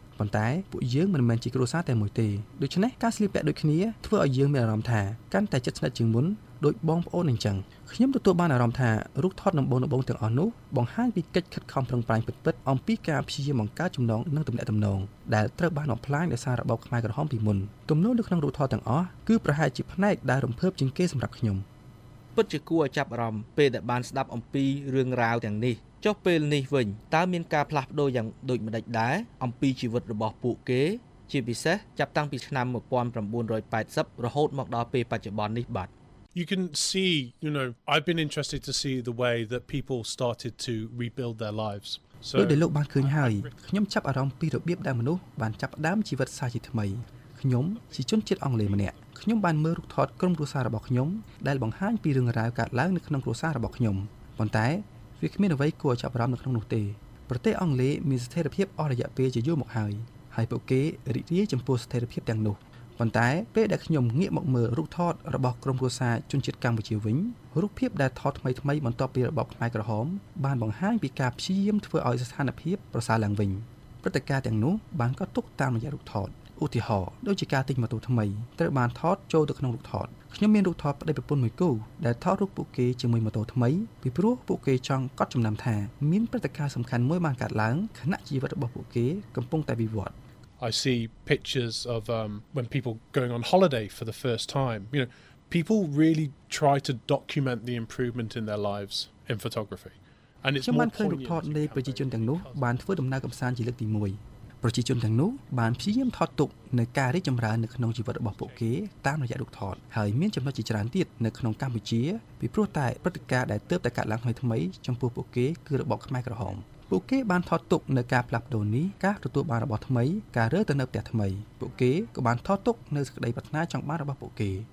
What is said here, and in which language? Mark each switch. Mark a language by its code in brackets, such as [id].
[km] ប៉ុន្តែពួកយើងមិនមែនជាគ្រួសារតែមួយទេដូច្នេះការស្លៀកពាក់ដូចគ្នាធ្វើឲ្យយើងមានអារម្មណ៍ថាកាន់តែជិតស្និទ្ធជាងមុនដោយបងប្អូនអញ្ចឹងខ្ញុំទទួលបានអារម្មណ៍ថារូបថតដំបូងទាំងអស់នោះបង្ហាញពីកិច្ចខិតខំប្រឹងប្រែងពិតៗអំពីការព្យាយាមបង្កើតចំណងនិងទំនាក់ទំនងដែលត្រូវបានបំផ្លាញដោយសាររបបខ្មែរក្រហមពីមុនទំនោរនៅក្នុងរូបថតទាំងអស់គឺប្រហែលជាផ្នែកដែលរំភើបជាងគេសម្រាប់ខ្ញុំ ពិតជាគួរឲ្យចាប់អារម្មណ៍ពេលដែលបានស្ដាប់អំពីរឿងរ៉ាវទាំងនេះចុះពេលនេះវិញតើមានការផ្លាស់ប្ដូរយ៉ាងដូចម្ដេចដែរអំពីជីវិតរបស់ពួកគេជាពិសេសចាប់តាំងពីឆ្នាំ1980រហូតមកដល់ពេលបច្ចុប្បន្ននេះបាទ [en] You can see, you know, I've been interested to see the way that people started to rebuild their lives. [km] So ដោយលោកបានឃើញហើយខ្ញុំចាប់អារម្មណ៍ពីរបៀបដែលមនុស្សបានចាប់ដើមជីវិតសាជាថ្មីខ្ញុំជាជនជាតិអង់គ្លេសម្នាក់ខ្ញុំបានមើលរូបថតក្រុមគ្រួសាររបស់ខ្ញុំដែលបង្ហាញពីរឿងរ៉ាវកើតឡើងនៅក្នុងគ្រួសាររបស់ខ្ញុំប៉ុន្តែ វាគ្មានអ្វីគួរឲ្យចាប់អារម្មណ៍នៅក្នុងនោះទេប្រទេសអង់គ្លេសមានស្ថិរភាពអស់រយៈពេលជាយូរមកហើយហើយពួកគេរីករាយចំពោះស្ថិរភាពទាំងនោះប៉ុន្តែពេលដែលខ្ញុំងាកមកមើលរូបថតរបស់ក្រុមគ្រួសារជនជាតិកម្ពុជាវិញរូបភាពដែលថតថ្មីថ្មីបន្ទាប់ពីរបបខ្មែរក្រហមបានបង្ហាញពីការព្យាយាមធ្វើឲ្យស្ថានភាពប្រសើរឡើងវិញ ព្រឹត្តិការណ៍ទាំងនោះបានកត់ទុកតាមរយៈរូបថតឧទាហរណ៍ដូចជាការទិញម៉ូតូថ្មីត្រូវបានថតចូលទៅក្នុងរូបថតខ្ញុំមានរូបថតប្តីប្រពន្ធមួយគូដែលថតរូបពួកគេជាមួយម៉ូតូថ្មីពីព្រោះពួកគេចង់កត់ចំណាំថាមានព្រឹត្តិការណ៍សំខាន់មួយបានកើតឡើងក្នុងជីវិតរបស់ពួកគេកំពុងតែវិវត្ត [en] I see pictures of when people going on holiday for the first time. You know, people really try to document the improvement in their lives in photography. And it's more important to report [km] នៃប្រជាជនទាំងនោះបានធ្វើដំណើរកំសាន្តជាលើកទី1ប្រជាជនទាំងនោះបានព្យាយាមថតទុកនៃការរីកចម្រើននៅក្នុងជីវិតរបស់ពួកគេតាមរយៈរូបថតហើយមានចំណុចជាច្រើនទៀតនៅក្នុងកម្ពុជាពីព្រោះតែព្រឹត្តិការណ៍ដែលទើបតែកើតឡើងថ្មីចំពោះពួកគេគឺរបបខ្មែរក្រហមពួកគេបានថតទុកនៅការផ្លាស់ប្ដូរនេះការទទួលបានរបស់ថ្មីការរើទៅនៅផ្ទះថ្មីពួកគេក៏បានថតទុកនៅសក្តីប្រាថ្នាចង់បានរបស់ពួកគេ